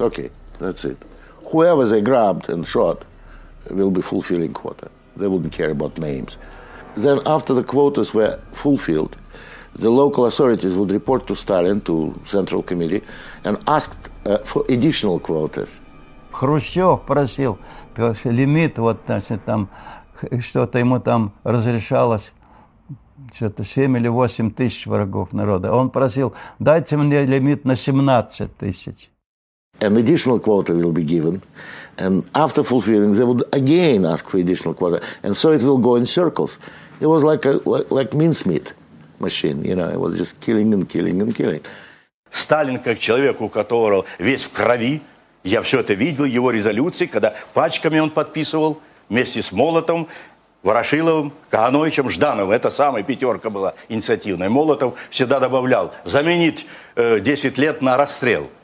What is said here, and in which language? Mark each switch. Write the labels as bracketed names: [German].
[English] Okay, that's it. Whoever they grabbed and shot will be fulfilling quota. They wouldn't care about names. Then after the quotas were fulfilled, the local authorities would report to Stalin, to Central Committee, and asked for additional quotas. [Russian] Хрущев просил, потому что лимит, вот, значит, там, что-то ему там разрешалось, что-то 7 или 8 тысяч врагов народа. Он просил, дайте мне лимит на 17 тысяч. [English] An additional quota will be given. And after fulfilling, they would again ask for additional quota. And so it will go in circles. It was like mincemeat machine, you know. It was just killing and killing and killing. [Russian] Сталин, как человек, у которого весь в крови, я все это видел, его резолюции, когда пачками он подписывал, вместе с Молотовым, Ворошиловым, Кагановичем, Ждановым. Это самая пятерка была инициативная. Молотов всегда добавлял, заменить 10 лет на расстрел.